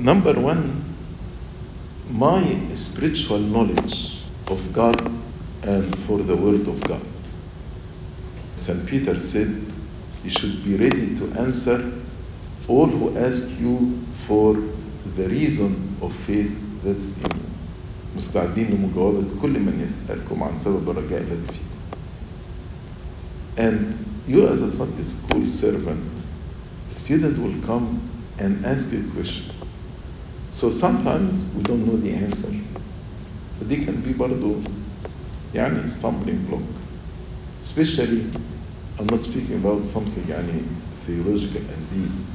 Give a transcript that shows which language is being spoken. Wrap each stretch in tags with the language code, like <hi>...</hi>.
<en>Number one, my spiritual knowledge of God and for the Word of God. St. Peter said, you should be ready to answer all who ask you for the reason of faith that's in you.</en> <ar>مستعدين لمجاوبة كل من يسألكم عن سبب الرجاء الذي فيكم.</ar> <en>And you as a Sunday school servant, student will come and ask you questions. So sometimes we don't know the answer. But they can be برضو يعني stumbling block. Especially, I'm not speaking about something يعني theological and deep.</en>